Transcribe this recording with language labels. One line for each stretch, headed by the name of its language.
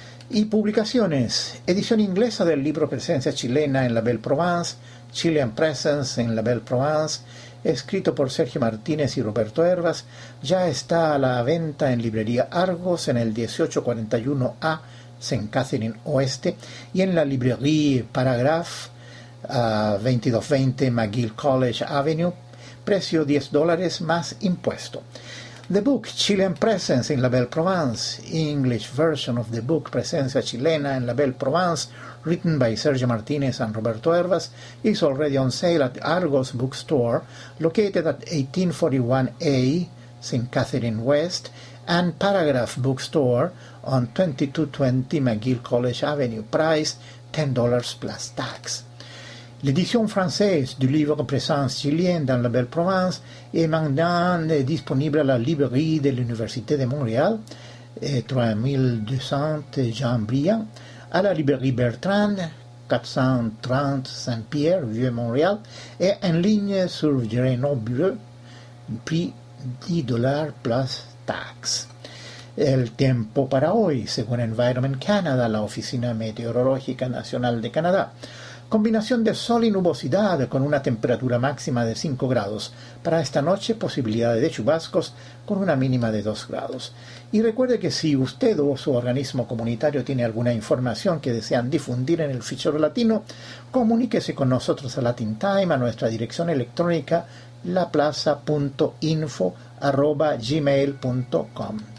Spanish: Y publicaciones. Edición inglesa del libro Presencia Chilena en la Belle Provence, Chilean Presence en la Belle Provence, escrito por Sergio Martínez y Roberto Hervas, ya está a la venta en librería Argos en el 1841A Saint Catherine Oeste y en la librería Paragraph, 2220 McGill College Avenue, precio $10 más impuesto.
English: The Book Chilean Presence in La Belle Provence, English version of the book Presencia Chilena in La Belle Provence, written by Sergio Martinez and Roberto Hervas, is already on sale at Argos Bookstore, located at 1841A St. Catherine West, and Paragraph Bookstore on 2220 McGill College Avenue, price $10 plus tax.
French: L'édition française du livre Présence chilienne dans la Belle Provence est maintenant disponible à la librairie de l'Université de Montréal, 3200 Jean Briand, à la librairie Bertrand, 430 Saint-Pierre, Vieux-Montréal, et en ligne sur Grenoble, prix $10 plus tax.
Spanish: El tiempo para hoy, según Environment Canada, la Oficina Meteorológica Nacional de Canadá. Combinación de sol y nubosidad con una temperatura máxima de 5 grados. Para esta noche, posibilidades de chubascos con una mínima de 2 grados. Y recuerde que si usted o su organismo comunitario tiene alguna información que desean difundir en el fichero latino, comuníquese con nosotros a Latin Time a nuestra dirección electrónica laplaza.info@gmail.com.